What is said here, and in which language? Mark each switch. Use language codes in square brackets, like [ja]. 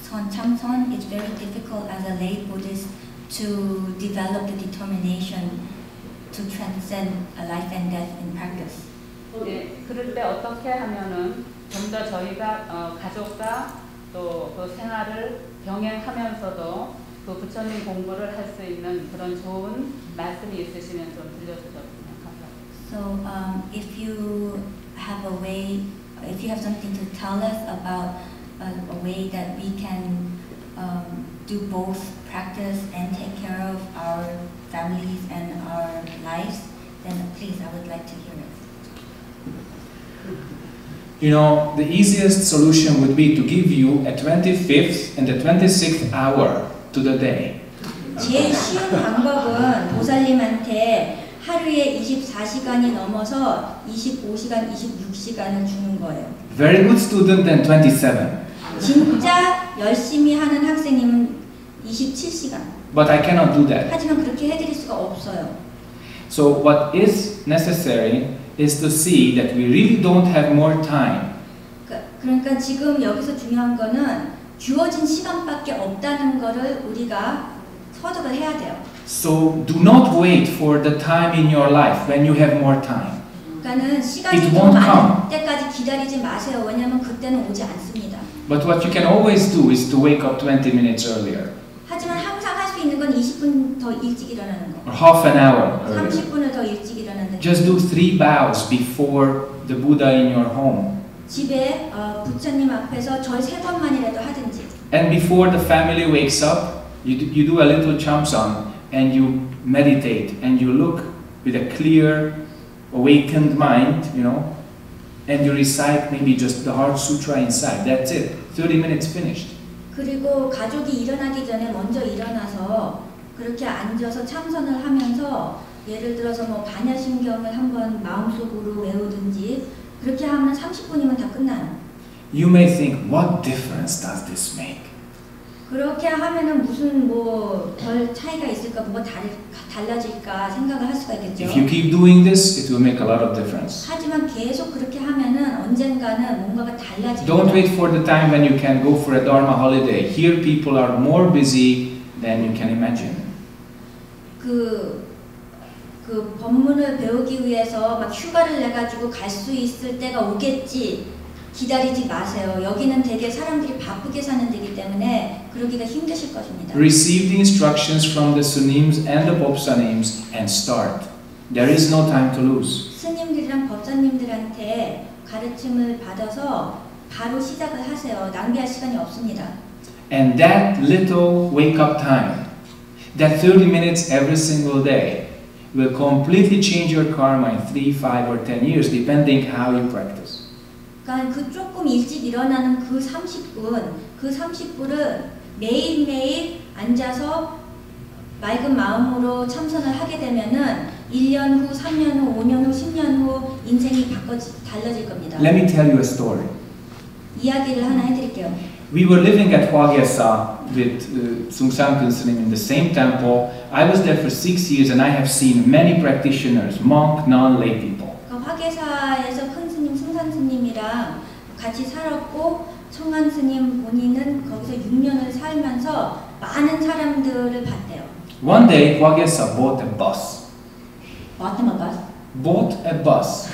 [en] 참선, it's very difficult as a lay Buddhist to develop the determination to transcend a life and death in practice. [ko] 예, 그런데 어떻게 하면은 좀 더 저희가 가족과 또 그 생활을 병행하면서도 그 부처님 공부를 할 수 있는 그런 좋은 말씀이 있으시면 좀 들려주셨으면 감사합니다. [en] So if you have a way, if you have something to tell us about a way that we can do both practice and take care of our families and our lives, then please, I would like to hear it. You know, the easiest solution would be to give you a 25th and a 26th hour to the day. [ko] 제일 쉬운 방법은 보살님한테 하루에 24시간이 넘어서 25시간, 26시간을 주는 거예요. [en] Very good student than 27. [ko] 진짜 열심히 하는 학생님은 27시간. [en] But I cannot do that. [ko] 하지만 그렇게 해드릴 수가 없어요. [en] So what is necessary is to see that we really don't have more time. [ko] 그러니까 지금 여기서 중요한 거는 주어진 시간밖에 없다는 거를 우리가 터득을 해야 돼요. [en] So do not wait for the time in your life when you have more time. [ko] 그러니까는 시간이 더 많을 [en] come. [ko] 때까지 기다리지 마세요. 왜냐하면 그때는 오지 않습니다. [en] But what you can always do is to wake up 20 minutes earlier. [ko] 하지만 항상 할 수 있는 건 20분 더 일찍 일어나는 거. [en] Or half an hour. [ko] 30분을 더 일찍 일어나는. [en] Just do 3 bows before the Buddha in your home. [ko] 집에 부처님 앞에서 절 세 번만이라도 하든지. [en] And before the family wakes up, you do a little chamsang and you meditate and you look with a clear, awakened mind, you know. And you recite maybe just the Heart Sutra inside. That's it. 30 minutes finished. [ko] 그리고 가족이 일어나기 전에 먼저 일어나서 그렇게 앉아서 참선을 하면서 예를 들어서 뭐 반야심경을 한번 마음속으로 외우든지 그렇게 하면 30분이면 다 끝나요. [en] You may think, what difference does this make? [ko] 그렇게 하면은 무슨 뭐 별 차이가 있을까, 뭐가 달라질까 생각을 할 수가 있겠죠. [en] If you keep doing this, it will make a lot of difference. [ko] 하지만 계속 그렇게 하면은 언젠가는 뭔가가 달라질. [en] Don't wait for the time when you can go for a Dharma holiday. Here, people are more busy than you can imagine. [ko] 그 법문을 배우기 위해서 막 휴가를 내 가지고 갈 수 있을 때가 오겠지. 기다리지 마세요. 여기는 되게 사람들이 바쁘게 사는 데이기 때문에 그러기가 힘드실 것입니다. [en] Receive the instructions from the Sunims and the Bobsanims and start. There is no time to lose. [ko] 스님들이랑 법사님들한테 가르침을 받아서 바로 시작을 하세요. 낭비할 시간이 없습니다. [en] And that little wake up time, that 30 minutes every single day will completely change your karma in 3, 5 or 10 years depending how you practice. [ko] 그러니까 그 조금 일찍 일어나는 그 30분, 그 30분은 매일매일 앉아서 맑은 마음으로 참선을 하게 되면은 1년 후, 3년 후, 5년 후, 10년 후 인생이 달라질 겁니다. [en] Let me tell you a story. [ko] 이야기를 하나 해드릴게요. [en] We were living at Hwagyesa with Sungsam Kinsunim in the same temple. I was there for 6 years and I have seen many practitioners, monk, non-lay people. [ko] 화계사에서 큰 스님 승산 스님이랑 같이 살았고 청안 스님 본인은 거기서 6년을 살면서 많은 사람들을 봤대요. [en] One day, Hwagyesa bought a bus. What a bus? Bought a bus.